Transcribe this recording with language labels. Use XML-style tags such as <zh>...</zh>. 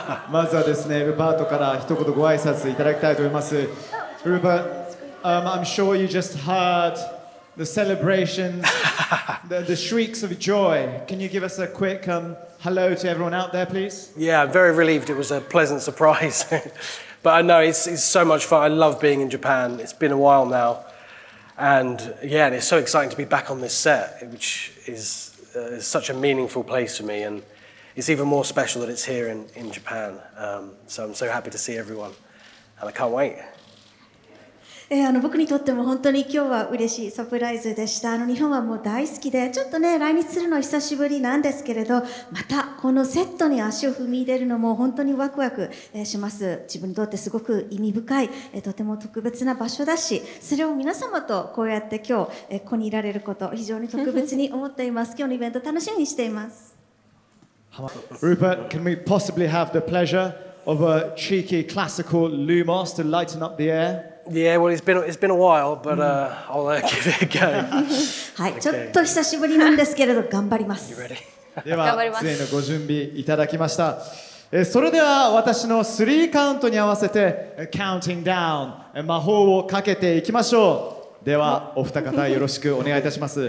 <ja>まずはですね、ルパートから一言ご挨拶いただきたいと思います。</ja> <en>Rupert, I'm sure you just heard the celebrations, the shrieks of joy. Can you give us a quick hello to everyone out there, please? Yeah, I'm very relieved. It was a pleasant surprise. But I know it's so much fun. I love being in Japan. It's been a while now. And yeah, and it's so exciting to be back on this set, which is such a meaningful place for me. And it's even more special that it's here in Japan. So I'm so happy to see everyone. And I can't wait.</en> <ja>僕にとっても本当に今日は嬉しいサプライズでした。日本はもう大好きで、ちょっとね、来日するのは久しぶりなんですけれど、またこのセットに足を踏み入れるのも本当にワクワクします。自分にとってすごく意味深い、とても特別な場所だし、それを皆様とこうやって今日、ここにいられること、非常に特別に思っています。今日のイベント楽しみにしています。</ja> <en>Rupert, can we possibly have the pleasure of a cheeky classical Lumos to lighten up the air? Yeah, well, it's been a while, but I'll give it a go.</en> <ja>はい、ちょっと久しぶりなんですけれど、頑張ります。では、全員のご準備いただきました。それでは私の3カウントに合わせて、</ja> <en>counting down、</en> <ja>魔法をかけていきましょう。では、お二方よろしくお願いいたします。</ja>